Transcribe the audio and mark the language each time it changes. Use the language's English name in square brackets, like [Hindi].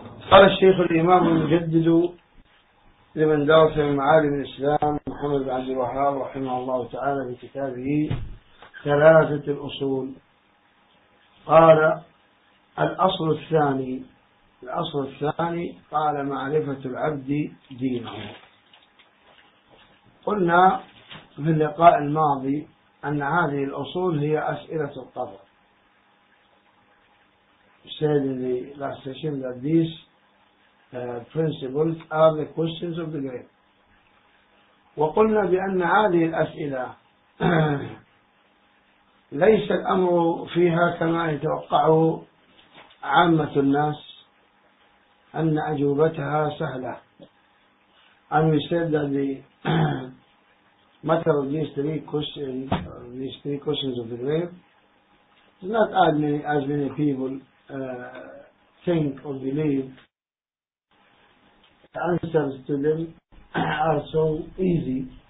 [Arabic] قال الشيخ الإمام المجدد لمن دار في معالم الإسلام محمد بن عبد الوهاب رحمه الله تعالى في كتابه ثلاثة الأصول، قال الأصل الثاني، الأصل الثاني قال معرفة العبد دينه. قلنا في اللقاء الماضي أن هذه الأصول هي أسئلة القبر. [English] Said in the last session that these principles are the questions of the grave. [Arabic] وقلنا بأن هذه الأسئلة ليس الأمر فيها كما يتوقعه عامة الناس أن أجوبتها سهلة. [English] And we said that the matter of these three questions of the grave is not as many people think or believe. The answers to them are so easy.